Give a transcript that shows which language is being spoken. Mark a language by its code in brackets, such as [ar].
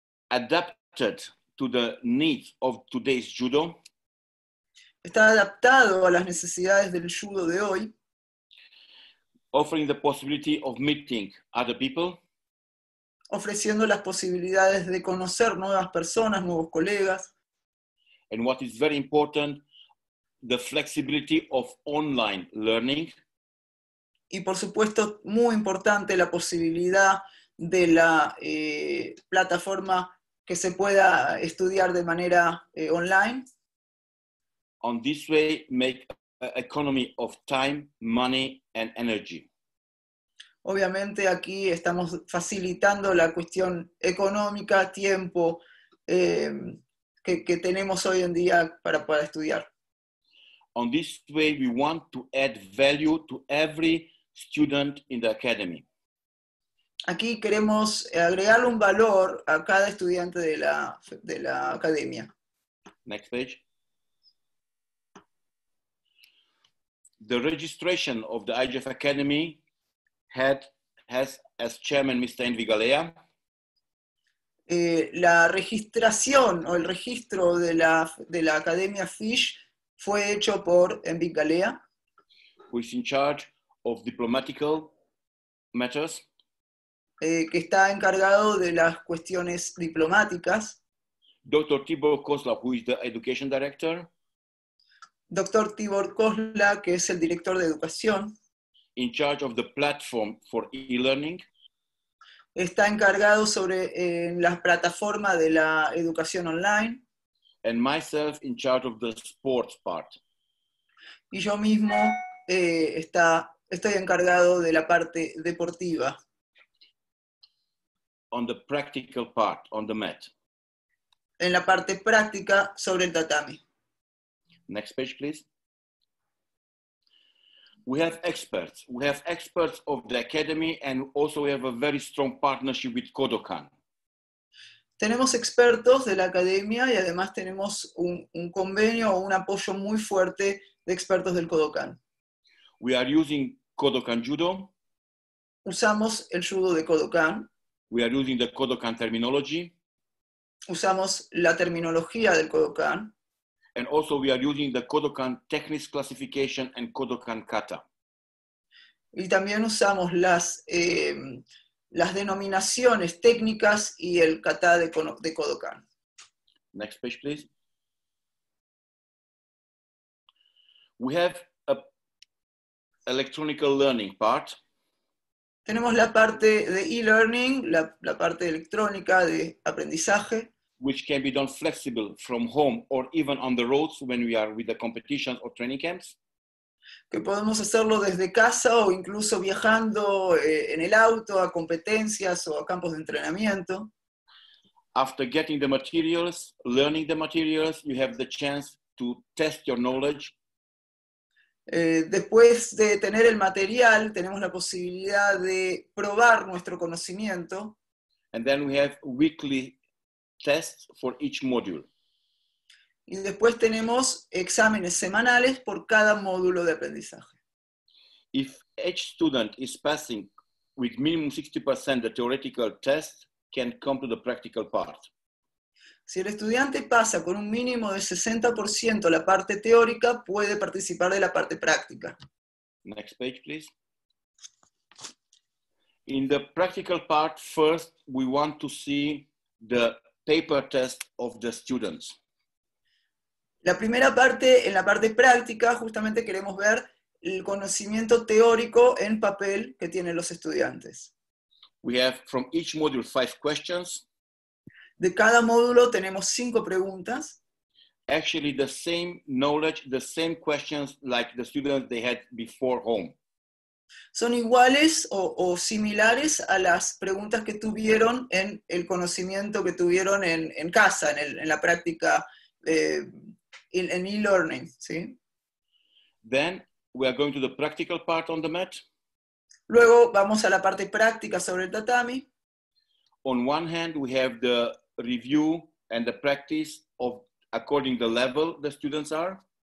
[en] Adapted to the needs of today's judo. [es] Está adaptado a las necesidades del judo de hoy. [en] Offering the possibility of meeting other people. [es] Ofreciendo las posibilidades de conocer nuevas personas, nuevos colegas. [en] And what is very important, the flexibility of online learning. [es] Y por supuesto, muy importante, la posibilidad de la plataforma que se pueda estudiar de manera online. [en] On this way, make an economy of time, money, and energy. [es] Obviamente, aquí estamos facilitando la cuestión económica, tiempo, que tenemos hoy en día para poder estudiar. [en] On this way, we want to add value to every student in the academy. [es] Aquí queremos agregar un valor a cada estudiante de la academia. [en] Next page. The registration of the IGF Academy has as chairman Mr. Envy Galea. [es] La registración o el registro de la Academia FISH fue hecho por Envy Galea, [en] who is in charge of diplomatic matters. [es] Que está encargado de las cuestiones diplomáticas. [en] Dr. Tibor Kozla, who is the education director. [es] Dr. Tibor Kozla, que es el director de educación. [en] In charge of the platform for e-learning. [es] Está encargado sobre la plataforma de la educación online. [en] And myself in charge of the sports part. [es] Y yo mismo estoy encargado de la parte deportiva. [en] On the practical part, on the mat. [es] En la parte práctica sobre el tatami. [en] Next page, please. We have experts. We have experts of the academy, and also we have a very strong partnership with Kodokan. [es] Tenemos expertos de la academia y además tenemos un convenio o un apoyo muy fuerte de expertos del Kodokan. [en] We are using Kodokan Judo. [es] Usamos el judo de Kodokan. [en] We are using the Kodokan terminology. [es] Usamos la terminología del Kodokan. [en] And also we are using the Kodokan Technics Classification and Kodokan Kata. [es] Y también usamos las denominaciones técnicas y el kata de Kodokan. [en] Next page, please. We have a electronic learning part. [es] Tenemos la parte de e-learning, la parte electrónica de aprendizaje. [en] Which can be done flexible from home or even on the roads when we are with the competitions or training camps. [es] Que podemos hacerlo desde casa o incluso viajando en el auto a competencias o a campos de entrenamiento. [en] After getting the materials, learning the materials, you have the chance to test your knowledge. [es] Después de tener el material, tenemos la posibilidad de probar nuestro conocimiento. [en] And then we have weekly tests for each module. [es] Y después tenemos exámenes semanales por cada módulo de aprendizaje. [en] If each student is passing with minimum 60% the theoretical test, can come to the practical part. [es] Si el estudiante pasa con un mínimo de 60% la parte teórica, puede participar de la parte práctica. [en] Next page, please. In the practical part, first, we want to see the paper test of the students. [es] La primera parte, en la parte práctica, justamente queremos ver el conocimiento teórico en papel que tienen los estudiantes. [en] We have from each module 5 questions. [es] De cada módulo tenemos 5 preguntas. [en] Actually, the same knowledge, the same questions like the students they had before home. [es] Son iguales o similares a las preguntas que tuvieron en el conocimiento que tuvieron en casa, en la práctica, en e-learning, ¿sí? [en] Then we are going to the practical part on the mat. [es] Luego vamos a la parte práctica sobre el tatami. [en] On one hand, we have the review and the practice of according to the level the students are.